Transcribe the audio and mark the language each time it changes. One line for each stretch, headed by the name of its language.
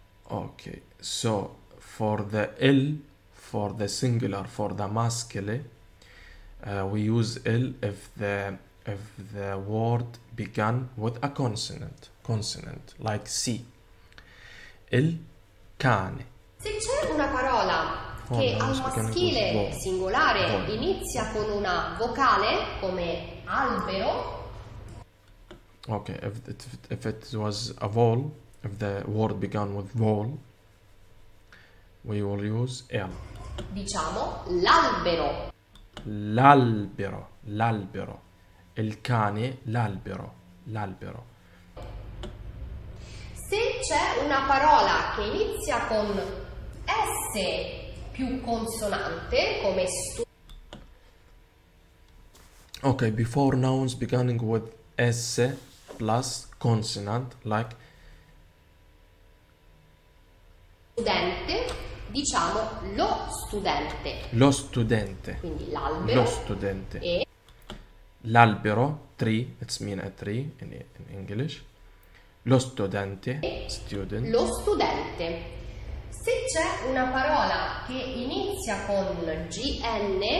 English: Okay, so for the il, for the singular, for the maschile, we use il if the word began with a consonant like C.
Italian: Il cane. Se c'è una parola che al maschile singolare inizia con una vocale come albero.
English: Okay, if it was a vowel, if the word began with vowel, we will use il.
Italian: Diciamo l'albero. L'albero, l'albero. Il cane, l'albero, l'albero. Se c'è una parola che inizia con S più consonante, come stu...
English: Ok, before nouns beginning with S plus consonant, like...
Italian: Studente, diciamo lo studente. Lo studente. Quindi l'albero. Lo studente. E...
English: L'albero, tree, it's mean a tree in English.
Italian: Lo studente, student. Lo studente. Se c'è una parola che inizia con GN,